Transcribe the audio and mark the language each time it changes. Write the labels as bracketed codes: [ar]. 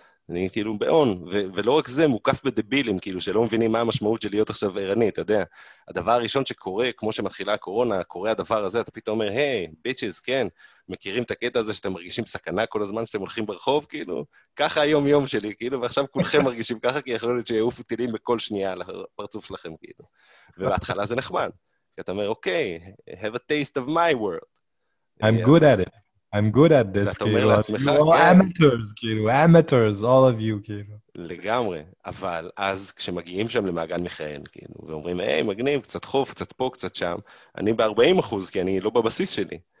[he] אני כאילו באון, ולא רק זה, מוקף בדבילים, כאילו, שלא מבינים מה המשמעות של להיות עכשיו עירני, אתה יודע, הדבר הראשון שקורה, כמו שמתחילה הקורונה, קורה הדבר הזה, אתה פתאום אומר, היי, ביצ'יז, כן, מכירים את הקטע הזה שאתם מרגישים סכנה כל הזמן שאתם הולכים ברחוב, כאילו, ככה היום יום שלי, כאילו, ועכשיו כולכם מרגישים ככה, כי יכול להיות שיעופו טילים בכל שנייה על הפרצוף שלכם, כאילו. ובהתחלה זה נחמד. כי אתה אומר, אוקיי, [en] have a taste of my world. I'm good at it. I'm good at this, כאילו. [he] אתה אומר לעצמך, כן. [en] You're amateurs, כאילו, amateurs, all of you, כאילו. [he] לגמרי. אבל אז כשמגיעים שם למעגן מכהן, כאילו, ואומרים, היי, מגניב, קצת חוף, קצת פה, קצת שם, אני ב-40%, כי אני לא בבסיס שלי.